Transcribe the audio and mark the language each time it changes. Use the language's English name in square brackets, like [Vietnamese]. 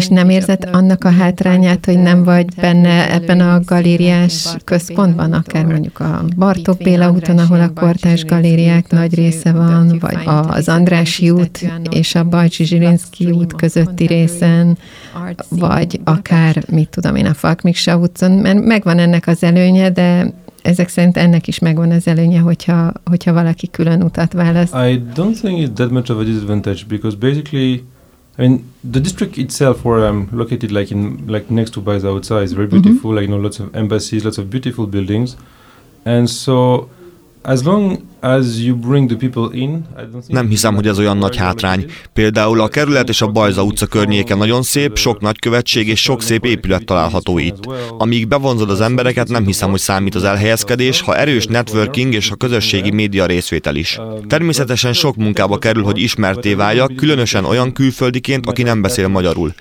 [Hungarian] És nem érzed annak a hátrányát, hogy nem vagy benne ebben a galériás központban, akár mondjuk a Bartók Béla úton, ahol a kortárs galériák nagy része van, vagy az Andrássy út és a Bajcsy-Zsilinszky út közötti részen, vagy akár, mit tudom én, a Falk-Miksa utcon, mert megvan ennek az előnye, de ezek szerint ennek is megvan az előnye, hogyha valaki külön utat választ. [English] I don't think it's that much of a disadvantage, because basically... I mean, the district itself where I'm located, like next to Bajza utca, is very beautiful, mm-hmm. Lots of embassies, lots of beautiful buildings. And so, as long as you bring the people in, I don't think... [Hungarian] Nem hiszem, hogy ez olyan nagy hátrány. Például a kerület és a Bajza utca környéke nagyon szép, sok nagykövetség és sok szép épület található itt. Amíg bevonzod az embereket, nem hiszem, hogy számít az elhelyezkedés, ha erős networking és a közösségi média részvétel is. Természetesen sok munkába kerül, hogy ismerté váljak, különösen olyan külföldiként, aki nem beszél magyarul.